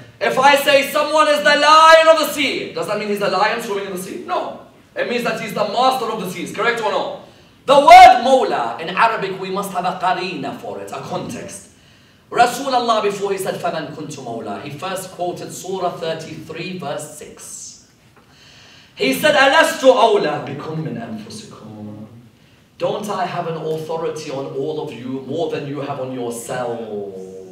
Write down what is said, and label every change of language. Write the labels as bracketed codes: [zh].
[en] If I say someone is the lion of the sea, does that mean he's the lion swimming in the sea? No. It means that he's the master of the seas, correct or no? The word Mawla, in Arabic, we must have a qareena for it, a context. Rasulullah, before he said, [ar] فَمَنْ كُنْتُ مَوْلَى, [en] he first quoted Surah 33, verse 6. He said, [ar] أَلَسْتُ أَوْلَى بِكُمْ مِنْ أَنفُسِكُمْ. [en] Don't I have an authority on all of you more than you have on yourselves?